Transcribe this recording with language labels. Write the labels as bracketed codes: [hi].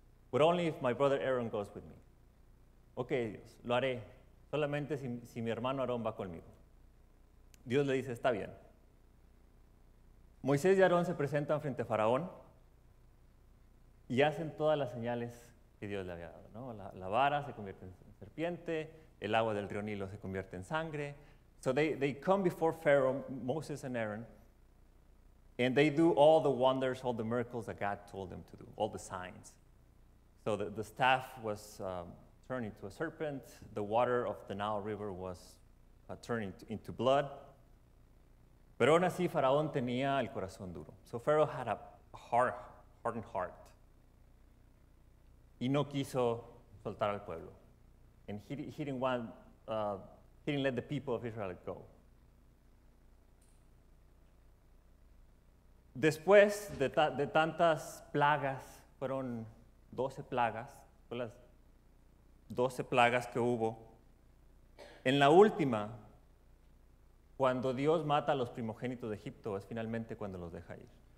[en] But only if my brother Aaron goes with me. [es] Okay, Dios, lo haré, solamente si mi hermano Aarón va conmigo. Dios le dice, está bien. Moisés y Aarón se presentan frente a Faraón y hacen todas las señales que Dios le había dado, ¿no? La vara se convierte en serpiente, el agua del río Nilo se convierte en sangre. [en] So they come before Pharaoh, Moses and Aaron, and they do all the wonders, all the miracles that God told them to do, all the signs. So the staff was turned into a serpent, the water of the Nile River was turning into blood. [es] Pero aún así, Faraón tenía el corazón duro. [en] So Pharaoh had a hardened heart. [es] Y no quiso soltar al pueblo. [en] And he didn't let the people of Israel go. [es] Después de tantas plagas, fueron 12 plagas, fue las 12 plagas que hubo. En la última, cuando Dios mata a los primogénitos de Egipto, es finalmente cuando los deja ir.